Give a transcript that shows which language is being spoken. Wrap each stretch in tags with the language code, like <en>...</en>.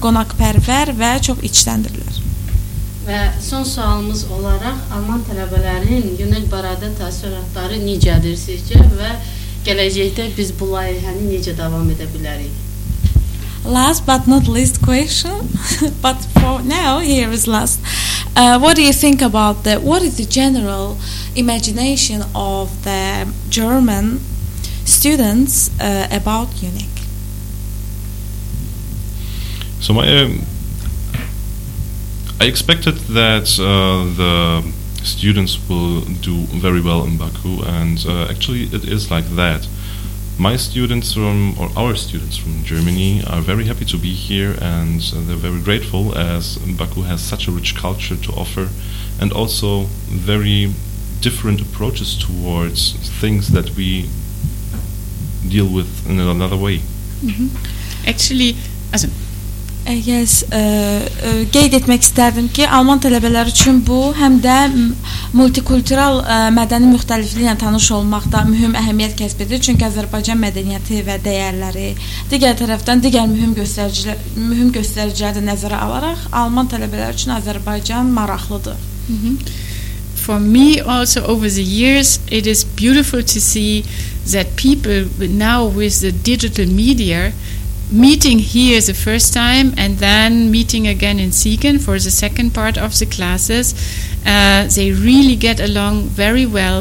<az>Qonaqpərvər və çox içləndirilər. Və son sualımız olaraq, Alman tələbələrin UNIQ barədə təəssüratları necədir sizcə və gələcəkdə biz bu layihəni necə davam edə bilərik?</az> <en>Last but not least question, but for now, here is last. What do you think about the, what is the general imagination of the German students about UNIQ? So my, I expected that the students will do very well in Baku, and actually it is like that. My students from, or our students from Germany, are very happy to be here, and they're very grateful as Baku has such a rich culture to offer and also very different approaches towards things that we deal with in another way. Mm-hmm. Actually, Azim.</en> <az>Yes, qeyd etmək istərdim ki, Alman tələbələr üçün bu həm də multikultural mədəni müxtəlifliklə tanış olmaq da mühüm əhəmiyyət kəsb edir. Çünki Azərbaycan mədəniyyəti və dəyərləri digər tərəfdən digər mühüm göstəricilər də nəzərə alaraq Alman tələbələr üçün Azərbaycan maraqlıdır. Mm-hmm.</az> <en>For me also over the years it is beautiful to see that people now with the digital media meeting here the first time and then meeting again in Siegen for the second part of the classes, they really get along very well.</en>